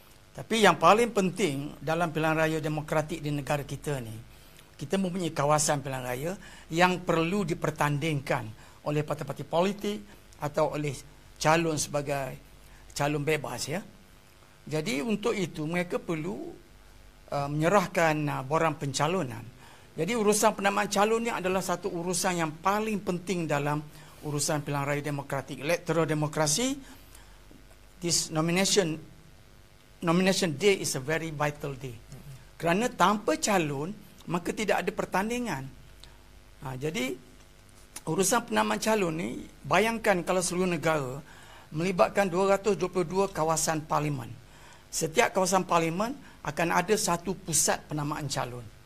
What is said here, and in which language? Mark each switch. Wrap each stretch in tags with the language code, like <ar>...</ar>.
<ms>Tapi yang paling penting dalam pilihan raya demokratik di negara kita ni, kita mempunyai kawasan pilihan raya yang perlu dipertandingkan oleh parti-parti politik atau oleh calon sebagai calon bebas, ya. Jadi untuk itu mereka perlu menyerahkan borang pencalonan. Jadi urusan penamaan calon ini adalah satu urusan yang paling penting dalam urusan pilihan raya demokratik.</ms> <en>Electoral democracy, this nomination day is a very vital day.</en> <ms>Kerana tanpa calon, maka tidak ada pertandingan. Jadi urusan penamaan calon ni, bayangkan kalau seluruh negara melibatkan 222 kawasan parlimen. Setiap kawasan parlimen akan ada satu pusat penamaan calon.</ms>